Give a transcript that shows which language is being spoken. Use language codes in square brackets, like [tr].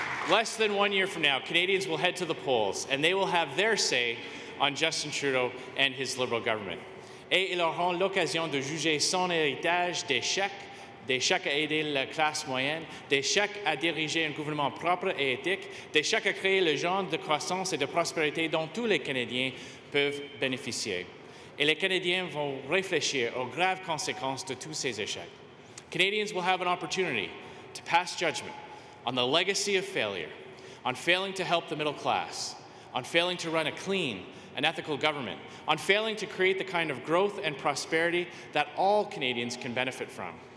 [en] Less than 1 year from now, Canadians will head to the polls and they will have their say on Justin Trudeau and his Liberal government. [fr] Et ils auront l'occasion de juger son héritage d'échec. D'échec à aider la classe moyenne, d'échec à diriger un gouvernement propre et éthique, d'échec à créer le genre de croissance et de prospérité dont tous les Canadiens peuvent bénéficier. Et les Canadiens vont réfléchir aux graves conséquences de tous ces échecs. [en] Canadians will have an opportunity to pass judgment on the legacy of failure, on failing to help the middle class, on failing to run a clean and ethical government, on failing to create the kind of growth and prosperity that all Canadians can benefit from.